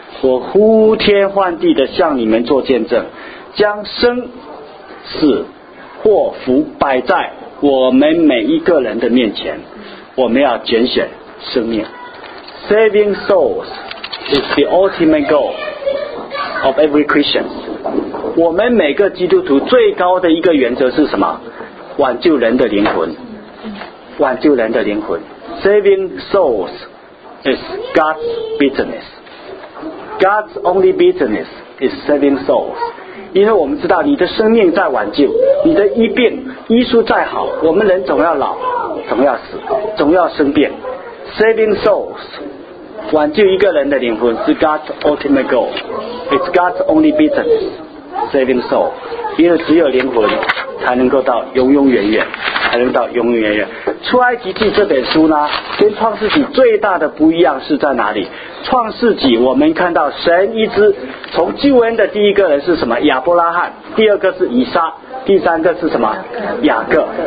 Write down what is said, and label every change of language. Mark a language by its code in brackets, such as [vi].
[zh] 我呼天唤地的向你们做见证，将生死祸福摆在我们每一个人的面前，我们要拣选生命。 [en] Saving souls is the ultimate goal of every Christian。 [zh] 我们每个基督徒最高的一个原则是什么？挽救人的灵魂，挽救人的灵魂。 [en] Saving souls is God's businessGod's only business is saving souls。 [zh] 因为我们知道你的生命在挽救，你的医病医术再好，我们人总要老，总要死，总要生病。 [en] Saving souls， [zh] 挽救一个人的灵魂是 [en] God's ultimate goal。 It's God's only business saving soul， [zh] 因为只有灵魂才能够到永永远远，才能到永永远远。出埃及记这本书呢，跟创世纪最大的不一样是在哪里？创世纪我们看到神一直从救恩的第一个人是什么？亚伯拉罕，第二个是以撒，第三个是什么？雅各。